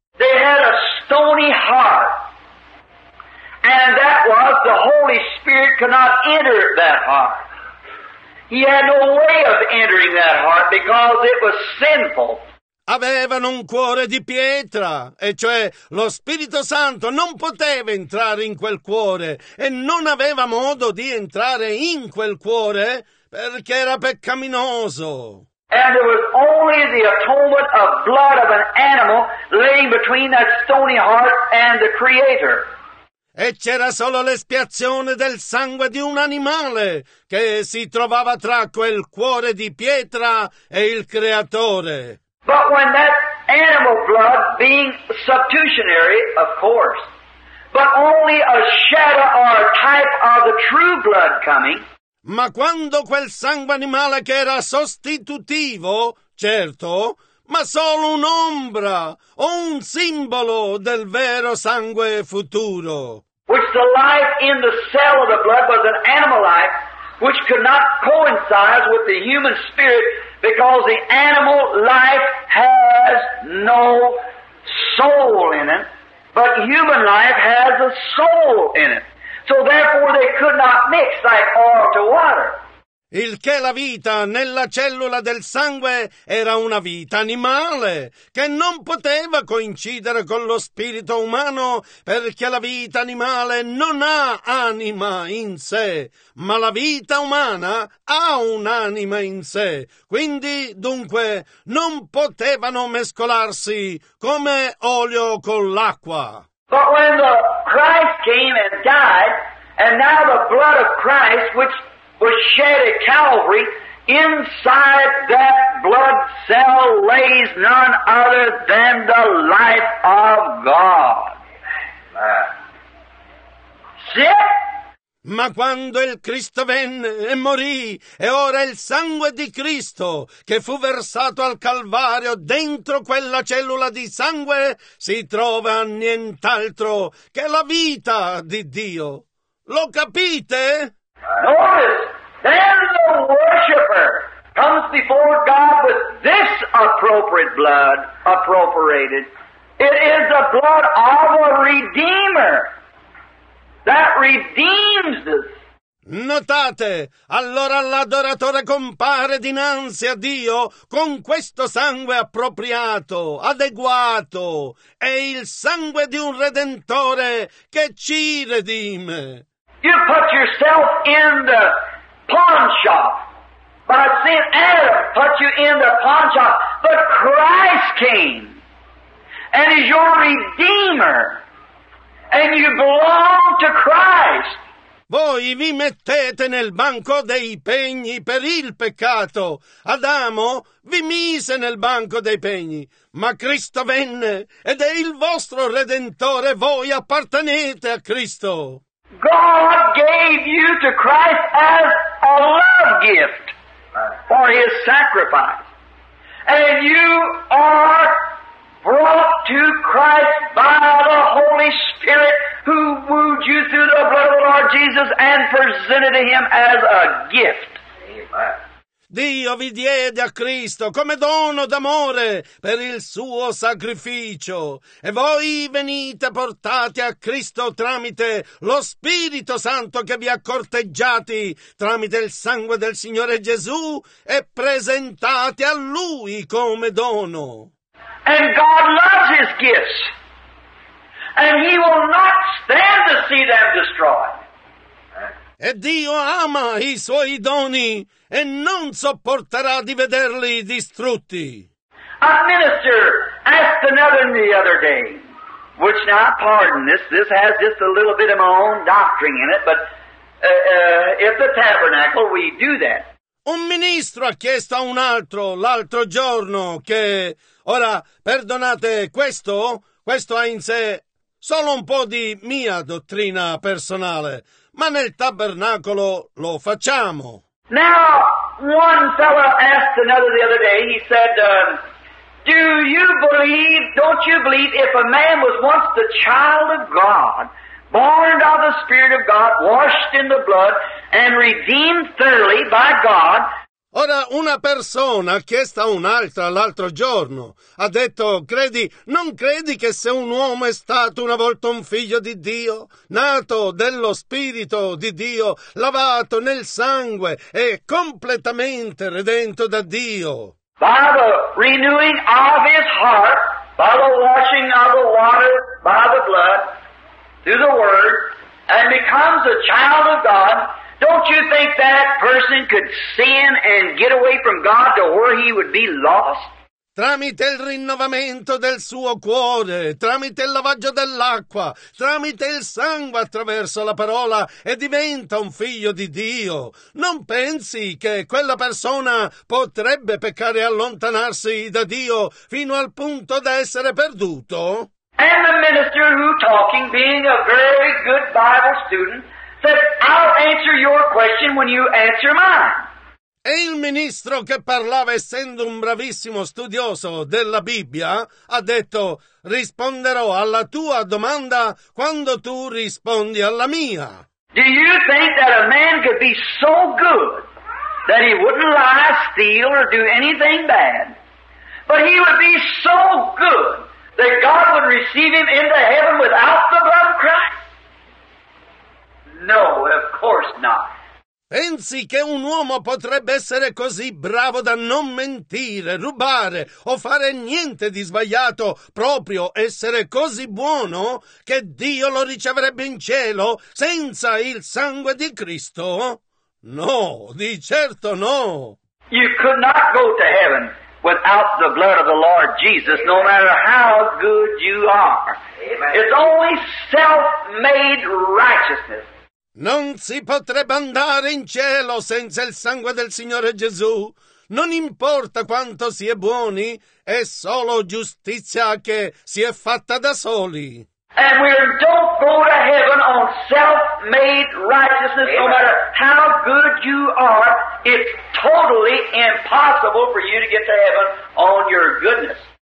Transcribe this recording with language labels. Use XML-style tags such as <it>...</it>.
<en>They had a stony heart, and that was the Holy Spirit could not enter that heart. He had no way of entering that heart because it was sinful.</en> <it>Avevano un cuore di pietra, e cioè lo Spirito Santo non poteva entrare in quel cuore e non aveva modo di entrare in quel cuore perché era peccaminoso.</it> <en>And there was only the atonement of blood of an animal laying between that stony heart and the Creator.</en> <it>E c'era solo l'espiazione del sangue di un animale che si trovava tra quel cuore di pietra e il Creatore.</it> <en>But when that animal blood, being substitutionary, of course, but only a shadow or a type of the true blood coming.</en> <it>Ma quando quel sangue animale che era sostitutivo, certo, ma solo un'ombra o un simbolo del vero sangue futuro.</it> <en>Which the life in the cell of the blood was an animal life, which could not coincide with the human spirit, because the animal life has no soul in it, but human life has a soul in it. So therefore they could not mix like oil to water.</en> <it>Il che la vita nella cellula del sangue era una vita animale, che non poteva coincidere con lo spirito umano, perché la vita animale non ha anima in sé, ma la vita umana ha un'anima in sé. Quindi, dunque, non potevano mescolarsi come olio con l'acqua.</it> <en>But when the Christ came and died, and now the blood of Christ, which was shed at Calvary, inside that blood cell lays none other than the life of God. See?</en> <it>Ma quando il Cristo venne e morì, e ora il sangue di Cristo, che fu versato al Calvario dentro quella cellula di sangue, si trova nient'altro che la vita di Dio. Lo capite?</it> <en>Notice! Then the worshiper comes before God with this appropriate blood, appropriated. It is the blood of a Redeemer that redeems us.</en> <it>Notate, allora l'adoratore compare dinanzi a Dio con questo sangue appropriato, adeguato, è il sangue di un Redentore che ci redime.</it> <en>You put yourself in the pawn shop. But sin Adam put you in the pawn shop. But Christ came and is your Redeemer, and you belong to Christ.</en> <it>Voi vi mettete nel banco dei pegni per il peccato. Adamo vi mise nel banco dei pegni, ma Cristo venne ed è il vostro Redentore. Voi appartenete a Cristo.</it> <en>God gave you to Christ as a love gift for his sacrifice. And you are brought to Christ by the Holy Spirit, who wooed you through the blood of the Lord Jesus and presented to him as a gift.</en> <it>Dio vi diede a Cristo come dono d'amore per il suo sacrificio, e voi venite portati a Cristo tramite lo Spirito Santo che vi ha corteggiati, tramite il sangue del Signore Gesù, e presentati a Lui come dono.</it> <en>And God loves His gifts, and He will not stand to see them destroyed.</en> <it>E Dio ama i suoi doni e non sopporterà di vederli distrutti.</it> <en>A minister asked another the other day, which now, pardon this, this has just a little bit of my own doctrine in it, but if the tabernacle, we do that.</en> <it>Un ministro ha chiesto a un altro l'altro giorno che, ora, perdonate, questo ha in sé solo un po' di mia dottrina personale. Ma nel tabernacolo lo facciamo.</it> <en>Now, one fellow asked another the other day, he said, don't you believe if a man was once the child of God, born of the Spirit of God, washed in the blood, and redeemed thoroughly by God?</en> <it>Ora, una persona ha chiesto a un'altra l'altro giorno, ha detto, non credi che se un uomo è stato una volta un figlio di Dio, nato dello Spirito di Dio, lavato nel sangue e completamente redento da Dio?</it> <en>By the renewing of his heart, by the washing of the water, by the blood, through the word, and becomes a child of God, don't you think that person could sin and get away from God to where he would be lost?</en> <it>Tramite il rinnovamento del suo cuore, tramite il lavaggio dell'acqua, tramite il sangue attraverso la parola, e diventa un figlio di Dio. Non pensi che quella persona potrebbe peccare e allontanarsi da Dio fino al punto da essere perduto?</it> <en>And the minister who talking, being a very good Bible student, said, I'll answer your question when you answer mine.</en> <it>E il ministro che parlava, essendo un bravissimo studioso della Bibbia, ha detto: risponderò alla tua domanda quando tu rispondi alla mia.</it> <en>Do you think that a man could be so good that he wouldn't lie, steal, or do anything bad? But he would be so good that God would receive him into heaven without the blood of Christ? No, of course not.</en> <it>Pensi che un uomo potrebbe essere così bravo da non mentire, rubare o fare niente di sbagliato, proprio essere così buono che Dio lo riceverebbe in cielo senza il sangue di Cristo? No, di certo no.</it> <en>You could not go to heaven without the blood of the Lord Jesus, no matter how good you are. It's only self-made righteousness.</en> <it>Non si potrebbe andare in cielo senza il sangue del Signore Gesù. Non importa quanto si è buoni, è solo giustizia che si è fatta da soli.</it> <en>And we don't go to heaven on self-made righteousness, no matter how good you are. It's totally impossible for you to get to heaven on your goodness.</en>